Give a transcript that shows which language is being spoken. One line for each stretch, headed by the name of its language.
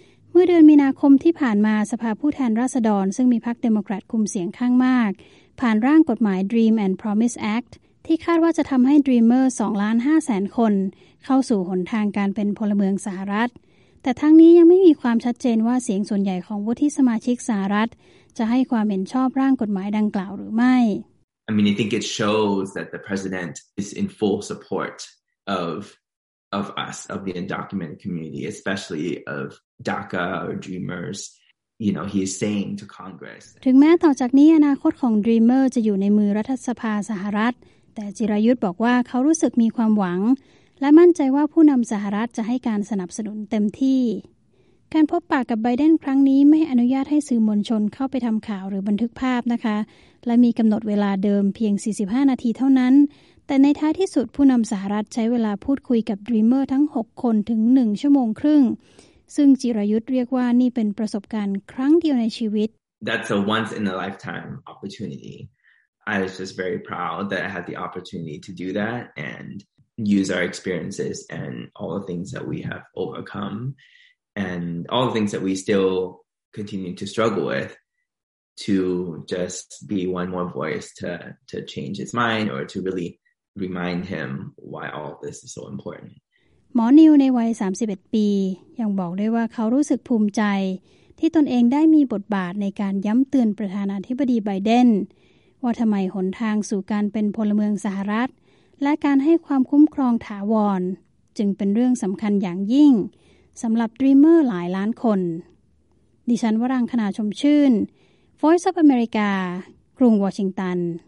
Thai: เมื่อเดือนมีนาคมที่ผ่านมาสภาผู้แทนราษฎรซึ่งมีพรรคเดโมแครตคุมเสียงข้างมากผ่านร่างกฎหมาย Dream and Promise Act ที่คาดว่าจะทำให้ Dreamer 2.5 ล้านคนเข้าสู่หนทางการเป็นพลเมืองสหรัฐแต่ทั้งนี้ยังไม่มีความชัดเจนว่าเสียงส่วนใหญ่ของวุฒิสมาชิกสหรัฐจะให้ความเห็นชอบร่างกฎหมายดังกล่าวหรือไม่
English: I mean, I think it shows that the president is in full support of us, of the undocumented community, especially of DACA or Dreamers. You know, he is saying to Congress.
Thai: ถึงแม้ต่อจากนี้อนาคตของ Dreamer จะอยู่ในมือรัฐสภาสหรัฐแต่จิรายุทธบอกว่าเขารู้สึกมีความหวังและมั่นใจว่าผู้นำสหรัฐจะให้การสนับสนุนเต็มที่ การพบปะกับไบเดนครั้งนี้ไม่อนุญาตให้สื่อมวลชนเข้าไปทำข่าวหรือบันทึกภาพนะคะและมีกำหนดเวลาเดิมเพียง45นาทีเท่านั้นแต่ในท้ายที่สุดผู้นำสหรัฐใช้เวลาพูดคุยกับดรีมเมอร์ทั้ง6คนถึง1ชั่วโมงครึ่งซึ่งจิรยุทธเรียกว่านี่เป็นประสบการณ์ครั้งเดียวในชีวิต
English: That's a once in a lifetime opportunity. I was just very proud that I had the opportunity to do that and use our experiences and all the things that we have overcome and all the things that we still continue to struggle with. To just be one more voice to change his mind or to really remind him why all of this is so important.
Thai: หมอนิวในวัย31ปียังบอกด้วยว่าเขารู้สึกภูมิใจที่ตนเองได้มีบทบาทในการย้ำเตือนประธานาธิบดีไบเดนว่าทำไมหนทางสู่การเป็นพลเมืองสหรัฐและการให้ความคุ้มครองถาวรจึงเป็นเรื่องสำคัญอย่างยิ่งสำหรับดรีมเมอร์หลายล้านคนดิฉันวรังคณาชมชื่นVoice of America, กรุงวอชิงตัน